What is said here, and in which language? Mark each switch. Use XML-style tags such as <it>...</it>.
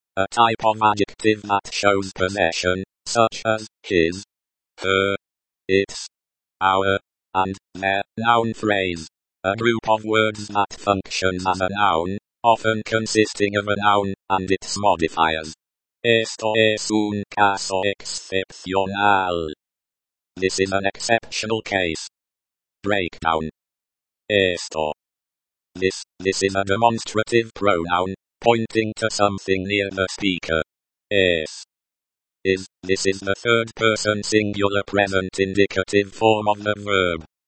<en>A type of adjective that shows possession, such as his, her, its, our, and their. Noun phrase, a group of words that functions as a noun, often consisting of a noun and its modifiers.</en> <es>Esto es un caso excepcional.</es> <en>This is an exceptional case. Breakdown. Esto. This is a demonstrative pronoun, pointing to something near the speaker. Es. Is, this is the third person singular present indicative form of the verb.</en>